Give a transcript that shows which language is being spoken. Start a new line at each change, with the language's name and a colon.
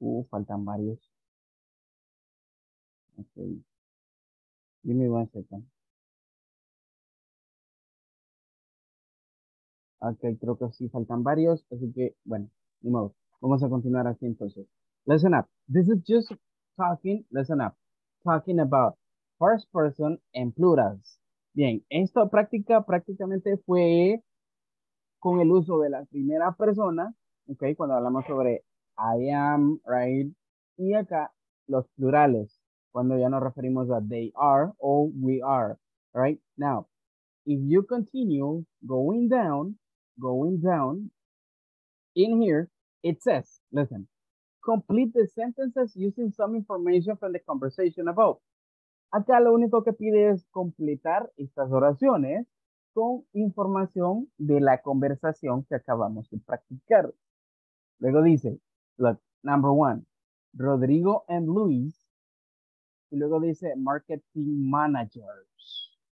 Spanish: Faltan varios.
English: Okay. Give me one second.
Spanish: Okay, creo que sí faltan varios, así que, bueno, ni modo. Vamos a continuar así entonces.
English: Listen up. This is just talking, listen up, talking about first person and plurals.
Spanish: Bien, esta práctica prácticamente fue con el uso de la primera persona, okay, cuando hablamos sobre I am, right, y acá los plurales, cuando ya nos referimos a they are o we are, right?
English: Now, if you continue going down, in here, it says, listen, complete the sentences using some information from the conversation above.
Spanish: Acá lo único que pide es completar estas oraciones con información de la conversación que acabamos de practicar. Luego dice,
English: look, number one, Rodrigo and Luis.
Spanish: Y luego dice, marketing managers.